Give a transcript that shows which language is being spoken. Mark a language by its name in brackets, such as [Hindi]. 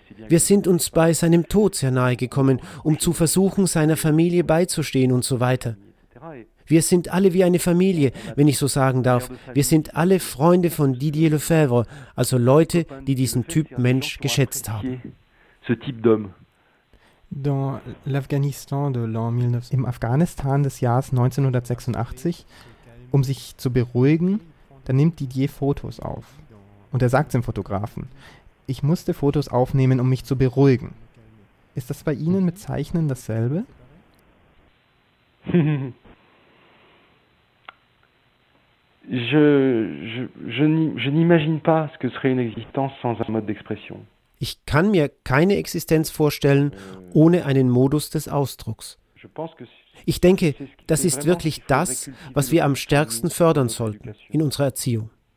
[German] Wir sind uns bei seinem Tod sehr nahe gekommen, um zu versuchen, seiner Familie beizustehen und so weiter. Wir sind alle wie eine Familie, wenn ich so sagen darf. Wir sind alle Freunde von Didier Lefebvre, also Leute, die diesen Typ Mensch geschätzt haben. [French] Dans l'Afghanistan de l'an 19... [German] Im Afghanistan des Jahres 1986, um sich zu beruhigen, da nimmt Didier Fotos auf. Und er sagt dem Fotografen, ich musste Fotos aufnehmen, um mich zu beruhigen. Ist das bei Ihnen mit Zeichnen dasselbe? [French] Je n'imagine pas ce que serait une existence sans un mode d'expression. [German] Ich kann mir keine Existenz vorstellen ohne einen Modus des Ausdrucks. Ich denke, das ist wirklich das, was wir am stärksten fördern sollten in unserer Erziehung.